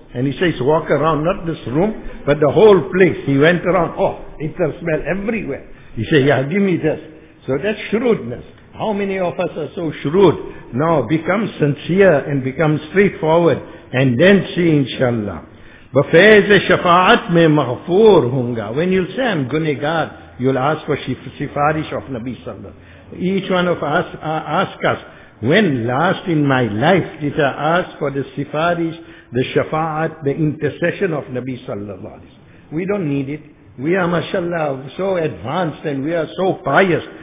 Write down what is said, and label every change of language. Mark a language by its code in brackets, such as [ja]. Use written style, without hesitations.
[en] And he says, walk around, not this room, but the whole place. He went around, oh, itar smell everywhere. He says, yeah, give me this. So that's shrewdness. How many of us are so shrewd? Now become sincere and become straightforward, and then see, inshallah. [ur] بفیض شفاعت میں مغفور ہوں گا. [en] When you say I'm gunegar, you'll ask for sifarish of Nabi Sallallahu Alaihi Wasallam. Each one of us ask us, when last in my life did I ask for the sifarish, the shafa'at, the intercession of Nabi Sallallahu Alaihi Wasallam? We don't need it. We are, mashallah, so advanced and we are so pious.